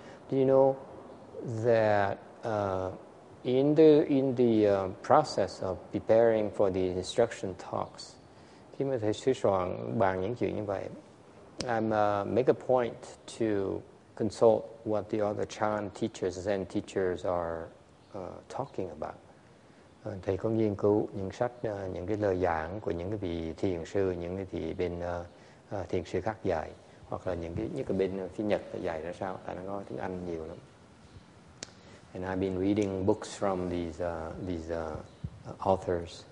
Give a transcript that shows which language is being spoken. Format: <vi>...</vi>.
<en>Do you know that in the process of preparing for the instruction talks,</en> <vi>khi mà thầy sư soạn bàn những chuyện như vậy,</vi> <en>I'm make a point to consult what the other Chan teachers, Zen teachers are talking about.</en> <vi>Thầy có nghiên cứu những sách, những cái lời giảng của những cái vị thiền sư, những cái vị bên thiền sư khác dạy, hoặc là những cái nhất là bên phía Nhật dạy ra sao, tại nó có tiếng Anh nhiều lắm.</vi> <en>And I've been reading books from these authors.</en>